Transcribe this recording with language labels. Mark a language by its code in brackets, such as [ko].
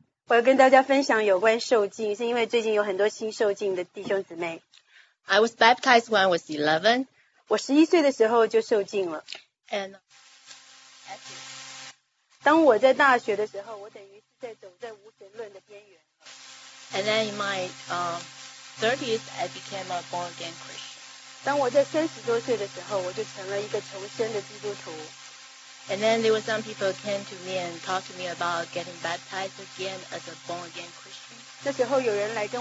[zh] 我要跟大家分享有关受浸, 是因为最近有很多新受浸的弟兄姊妹。 [en] I was baptized when I was 11. [zh] 我11岁的时候就受浸了。And 当我在大学的时候, 我等于是在走在无神论的边缘。And [en] then in my 30s, I became a born-again Christian. [zh] 当我在30多岁的时候, 我就成了一个重生的基督徒。 [en] And then there were some people came to me and talked to me about getting baptized again as a born-again Christian.